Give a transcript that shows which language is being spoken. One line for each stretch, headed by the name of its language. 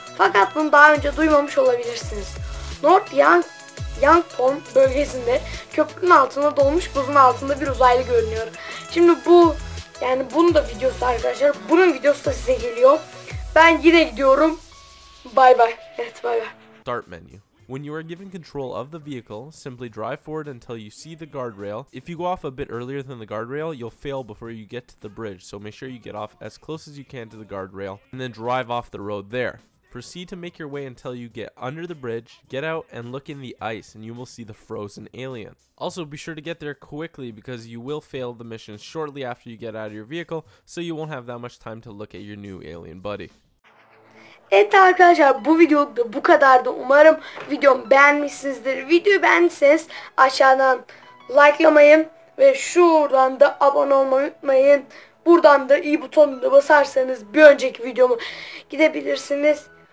Turkish: Fakat bunu daha önce duymamış olabilirsiniz. North Yangpom bölgesinde köprünün altında dolmuş buzun altında bir uzaylı görünüyor. Şimdi bu, yani bunun da videosu arkadaşlar. Bunun videosu da size geliyor. Ben yine gidiyorum.
English: Bye bye.
Turkish: Evet,
English: bye bye. Start menu. When you are given control of the vehicle, simply drive forward until you see the guardrail. If you go off a bit earlier than the guardrail, you'll fail before you get to the bridge, so make sure you get off as close as you can to the guardrail, and then drive off the road there. Proceed to make your way until you get under the bridge, get out and look in the ice, and you will see the frozen alien. Also, be sure to get there quickly because you will fail the mission shortly after you get out of your vehicle, so you won't have that much time to look at your new alien buddy.
Turkish: Evet arkadaşlar, bu videoluk da bu kadardı. Umarım videomu beğenmişsinizdir. Videoyu beğendiyseniz aşağıdan likelamayın ve şuradan da abone olmayı unutmayın. Buradan da i butonuna basarsanız bir önceki videomu gidebilirsiniz.